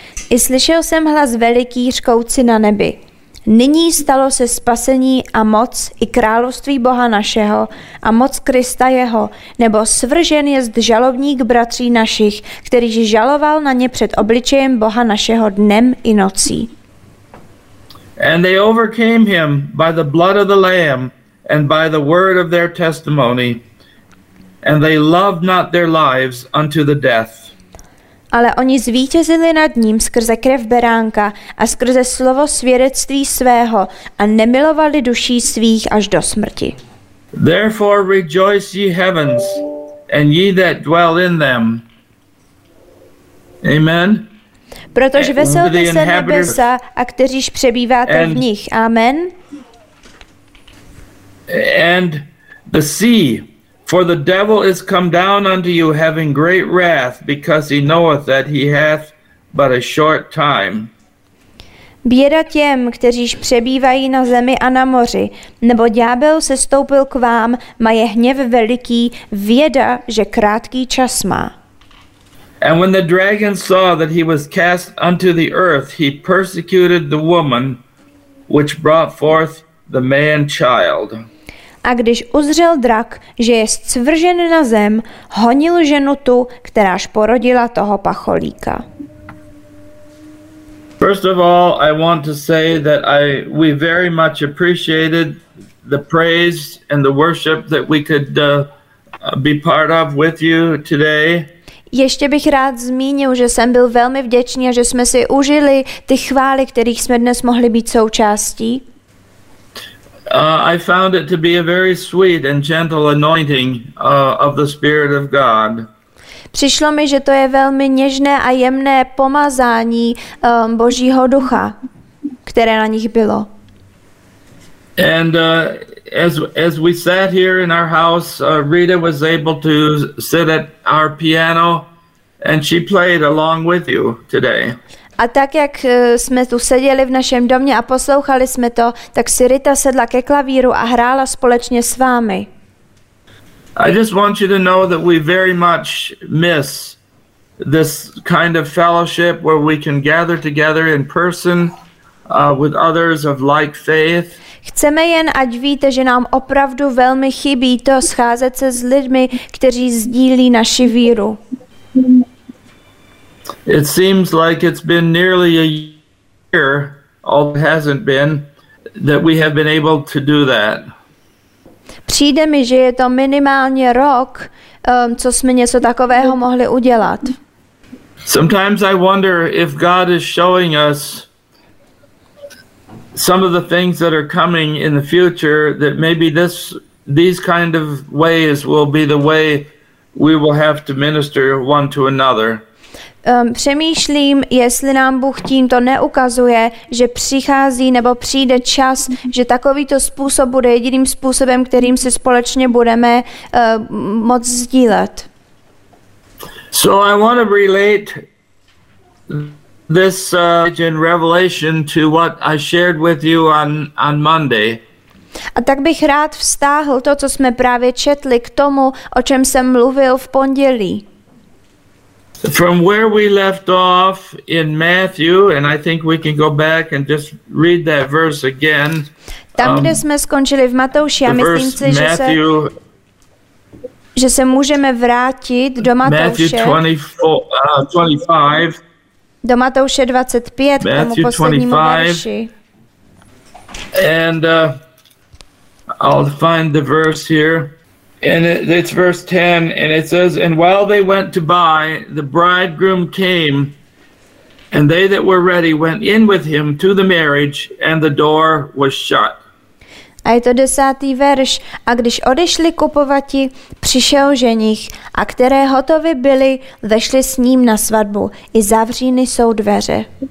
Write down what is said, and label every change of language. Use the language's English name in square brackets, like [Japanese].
[Czech] I slyšel jsem hlas veliký řkoucí na nebi. Nyní stalo se spasení a moc i království Boha našeho a moc Krista jeho, nebo svržen jest žalobník bratří našich, kterýž žaloval na ně před obličejem Boha našeho dnem i nocí. [English] And they overcame him by the blood of the Lamb and by the word of their testimony, and they loved not their lives unto the death. [Czech] Ale oni zvítězili nad ním skrze krev beránka a skrze slovo svědectví svého a nemilovali duší svých až do smrti. [English] Therefore rejoice ye heavens and ye that dwell in them. Amen. [Czech] Protože veselte se nebesa a kteříž přebýváte v nich. Amen. [English] And the sea. For the devil is come down unto you having great wrath, because he knoweth that he hath but a short time. [Czech] Běda těm, kteříž přebývají na zemi a na moři, nebo ďábel se stoupil k vám, má je hněv veliký, věda, že krátký čas má. [English] And when the dragon saw that he was cast unto the earth, he persecuted the woman which brought forth the man child. [Czech] A když uzřel drak, že je svržen na zem, honil ženu tu, kteráž porodila toho pacholíka. [English] First of all, I want to say that we very much appreciated the praise and the worship that we could be part of with you today. [Czech] Ještě bych rád zmínil, že jsem byl velmi vděčný a že jsme si užili ty chvály, kterých jsme dnes mohli být součástí. [English] I found it to be a very sweet and gentle anointing of the Spirit of God. [Czech] Přišlo mi, že to je velmi něžné a jemné pomazání Božího ducha, které na nich bylo. [English] And as we sat here in our house, Rita was able to sit at our piano and she played along with you today. [Czech] A tak, jak jsme tu seděli v našem domě a poslouchali jsme to, tak si Rita sedla ke klavíru a hrála společně s vámi. [English] I just want you to know that we very much miss this kind of fellowship where we can gather together in person with others of like faith. [Czech] Chceme jen, ať víte, že nám opravdu velmi chybí to scházet se s lidmi, kteří sdílí naši víru. [English] It seems like it's been nearly a year, although it hasn't been, that we have been able to do that. [Czech] Přijde mi, že je to minimálně rok, co jsme něco takového mohli udělat. [English] Sometimes I wonder if God is showing us some of the things that are coming in the future, that maybe these kind of ways will be the way we will have to minister one to another. [Czech] Přemýšlím, jestli nám Bůh tímto neukazuje, že přichází nebo přijde čas, že takovýto způsob bude jediným způsobem, kterým se společně budeme moc sdílet. [English] So I want to relate this in Revelation to what I shared with you on Monday. [Czech] A tak bych rád vztáhl to, co jsme právě četli, k tomu, o čem jsem mluvil v pondělí. [English] From where we left off in Matthew, and I think we can go back and just read that verse again. [Czech] Tam, kde jsme skončili v Matouši, a myslím si, že se můžeme vrátit do Matouše. [English] Matthew 25. [Czech] Do Matouše 25, k tomu poslednímu verši. [English] And I'll find the verse here. And it's verse 10, and it says, "And while they went to buy, the bridegroom came, and they that were ready went in with him to the marriage, and the door was shut." [Czech] A je to 10. verš. A když odešli kupovati, přišel ženich, a které hotovi byli, vešli s ním na svatbu, i zavříny jsou dveře.